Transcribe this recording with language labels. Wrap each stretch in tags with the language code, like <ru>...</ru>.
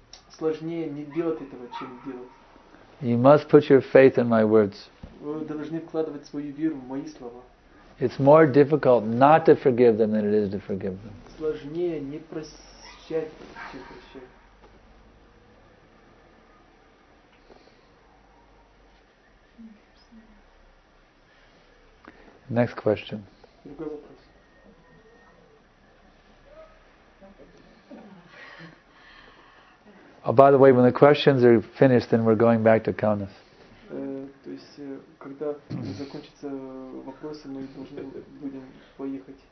<ru>Сложнее не делать этого, чем делать.</ru> <en>You must put your faith in my words.</en> <ru>Вы должны вкладывать свою веру в мои слова.</ru> <en>It's more difficult not to forgive them than it is to forgive them.</en> <ru>Сложнее не прощать, чем прощать.</ru> <en>Next question.</en> <ru>Другой вопрос.</ru> <en>Oh, by the way, when the questions are finished, then we're going back to Kaunas.</en> <ru>То есть, когда закончатся вопросы, мы должны будем поехать.</ru>